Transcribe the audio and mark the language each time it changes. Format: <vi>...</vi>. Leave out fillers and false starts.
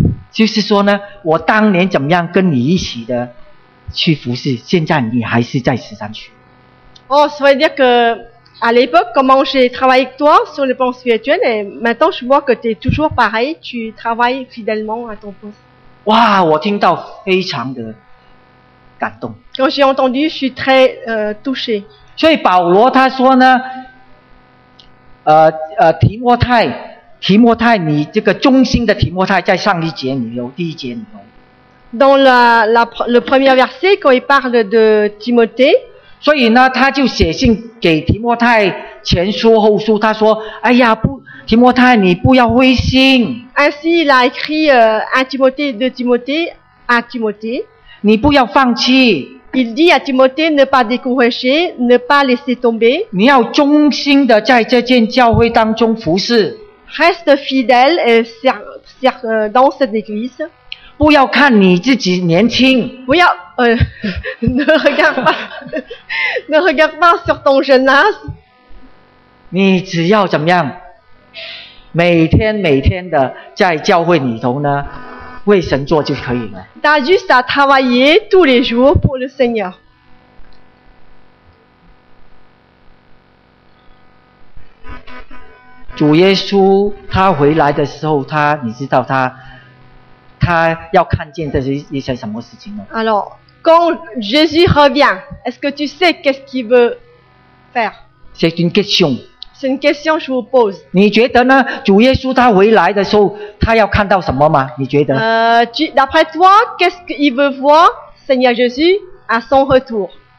<zh>就是说呢，我当年怎么样跟你一起的去服侍，现在你还是在十三区。</zh> <fr>Oh, ça veut dire que à l'époque, comment j'ai travaillé avec toi sur le plan spirituel, et maintenant je vois que tu es toujours pareil, tu travailles fidèlement à ton poste.</fr> <zh>哇，我听到非常的感动。</zh> <fr>Quand j'ai entendu, je suis très touché.</fr> <zh>所以保罗他说呢，提摩太，你这个忠心的提摩太，在上一节里头，第一节里头。</zh> <fr>Dans le premier verset, quand il parle de Timothée.</fr> <zh>所以呢，他就写信给提摩太，前书后书，他说：“哎呀，不，提摩太，你不要灰心。”</zh> <fr>Ainsi, il a écrit à Timothée, de Timothée à Timothée.</fr> <zh>你不要放弃。</zh> <fr>Il dit à Timothée ne pas décourager, ne pas laisser tomber.</fr> <zh>你要忠心的在这间教会当中服侍。</zh> <fr>Reste fidèle et serve dans cette église.</fr> <zh>不要看你自己年轻。不要</zh> <fr>ne regarde pas sur ton jeune âge.</fr> <zh>你只要怎么样？每天每天的在教会里头呢，为神做就可以了。</zh> <fr>T'as juste à travailler tous les jours pour le Seigneur.</fr> <zh>主耶稣他回来的时候，你知道他要看见的是一些什么事情吗</zh> <fr>？Alors, quand Jésus revient, est-ce que tu sais qu'est-ce qu'il veut faire? C'est une question. C'est une question que je vous pose.</fr> <zh>你觉得呢？主耶稣他回来的时候，他要看到什么吗？你觉得？</zh> <fr>D'après toi, qu'est-ce qu'il veut voir, Seigneur Jésus, à son retour?</fr>